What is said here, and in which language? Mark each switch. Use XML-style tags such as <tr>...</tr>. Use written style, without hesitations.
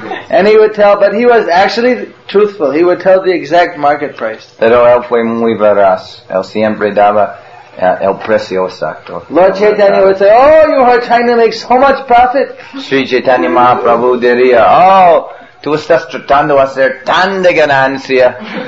<en>And he would tell, but he was actually truthful. He would tell the exact market price.</en> <es>Pero él fue muy veraz. Él siempre daba el precio exacto.</es> <en>Lord Chaitanya would say, oh, you heard China makes so much profit.</en> <es>Sri Chaitanya Mahaprabhu diría, oh, tú estás tratando de hacer tan de ganancia.</es>